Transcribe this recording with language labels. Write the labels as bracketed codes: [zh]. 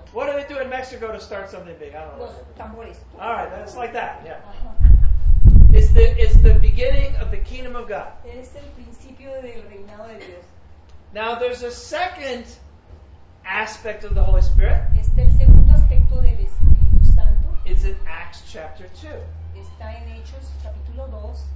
[en] What do they do in Mexico to start something big? I don't know. [es] Los tambores. [en] All right, that's like that. Yeah. It's the beginning of the kingdom of God. [es] Es el principio del reinado de Dios. [en] Now there's a second aspect of the Holy Spirit. [es] Este es el segundo aspecto del Espíritu Santo. [en] It's in Acts chapter 2. [es] está en Hechos, capítulo 2,